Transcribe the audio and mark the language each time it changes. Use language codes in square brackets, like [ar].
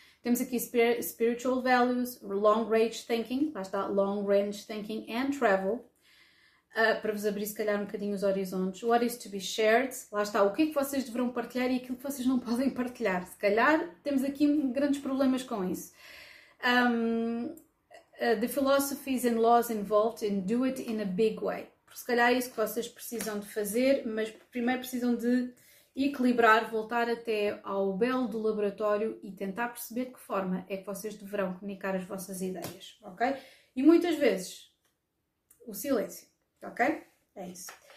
[pt] Temos aqui spiritual values, long range thinking, lá está, long range thinking and travel, para vos abrir se calhar um bocadinho os horizontes. [en] What is to be shared? [pt] Lá está, o que é que vocês deverão partilhar e aquilo que vocês não podem partilhar. Se calhar temos aqui grandes problemas com isso. [en] The philosophies and laws involved in do it in a big way. [pt] Porque se calhar é isso que vocês precisam de fazer, mas primeiro precisam de equilibrar, voltar até ao belo do laboratório e tentar perceber de que forma é que vocês deverão comunicar as vossas ideias, ok? E muitas vezes, o silêncio, ok? É isso.